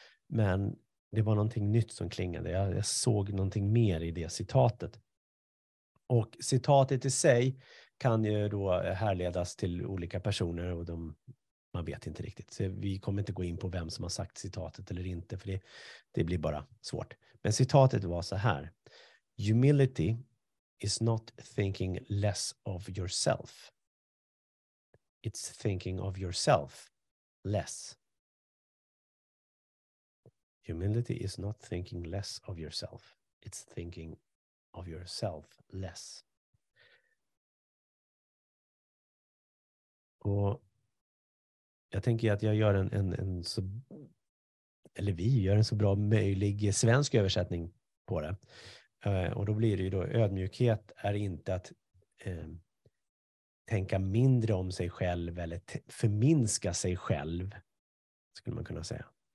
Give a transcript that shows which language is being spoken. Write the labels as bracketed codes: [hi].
[sv] Men det var någonting nytt som klingade. Jag såg någonting mer i det citatet. Och citatet i sig kan ju då härledas till olika personer. Och man vet inte riktigt. Så vi kommer inte gå in på vem som har sagt citatet eller inte. För det blir bara svårt. Men citatet var så här. [en] Humility is not thinking less of yourself. It's thinking of yourself less. Humility is not thinking less of yourself. It's thinking of yourself less. [sv] Och jag tänker att jag gör en så, eller vi gör en så bra möjlig svensk översättning på det. Och då blir det ju då, ödmjukhet är inte att tänka mindre om sig själv eller förminska sig själv, skulle man kunna säga.